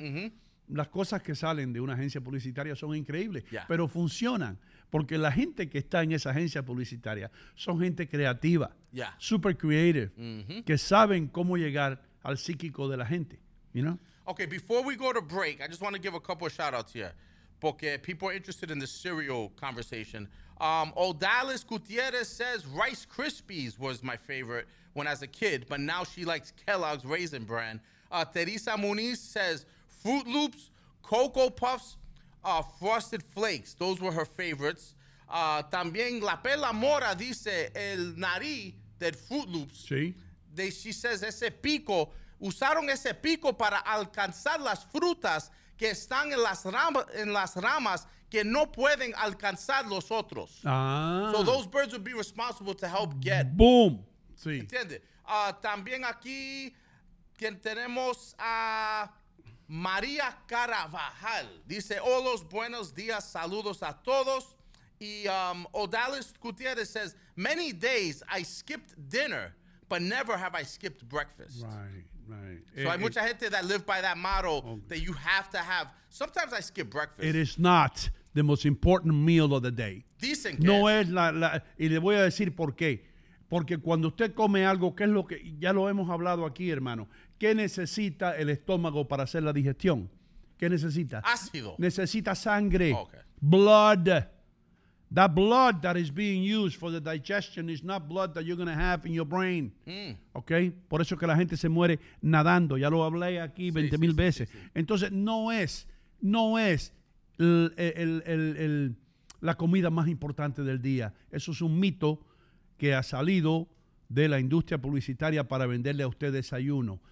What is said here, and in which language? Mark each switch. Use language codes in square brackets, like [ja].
[es] Mm-hmm. Las cosas que salen de una agencia publicitaria son increíbles. [en] Yeah. [es] Pero funcionan, porque la gente que está en esa agencia publicitaria son gente creativa. [en] Yeah. Super creative. Mm-hmm. [es] Que saben cómo llegar al psíquico de la gente. [en] You know? Okay, before we go to break, I just want to give a couple of shout-outs here. Porque people are interested in the cereal conversation. Odalis Gutierrez says Rice Krispies was my favorite when as a kid, but now she likes Kellogg's Raisin Bran. Teresa Muniz says Fruit Loops, Cocoa Puffs, Frosted Flakes. Those were her favorites. [es] También La Pela Mora dice el nariz del Fruit Loops. Sí. [en] She says [es] ese pico, usaron ese pico para alcanzar las frutas que están en las ramas, que no pueden alcanzar los otros. Ah. [en] So those birds would be responsible to help get. [es] Boom. Sí. ¿Entiendes? También aquí tenemos a María Carvajal. Dice, hola, buenos días, saludos a todos. [en] Y Odalis Gutierrez says, many days I skipped dinner, but never have I skipped breakfast. Right. So [es] hay mucha gente [en] that live by that motto, okay, that you have to have. Sometimes I skip breakfast. It is not the most important meal of the day. [es] Dicen que no es la, y le voy a decir por qué. Porque cuando usted come algo, ¿qué es lo que, ya lo hemos hablado aquí, hermano, qué necesita el estómago para hacer la digestión? ¿Qué necesita? Ácido. Necesita sangre. [en] Okay. Blood. That blood that is being used for the digestion is not blood that you're going to have in your brain. Mm. Okay? [es] Por eso que la gente se muere nadando. Ya lo hablé aquí 20,000 veces. Sí. Entonces, no es la comida más importante del día. Eso es un mito que ha salido de la industria publicitaria para venderle a usted desayuno.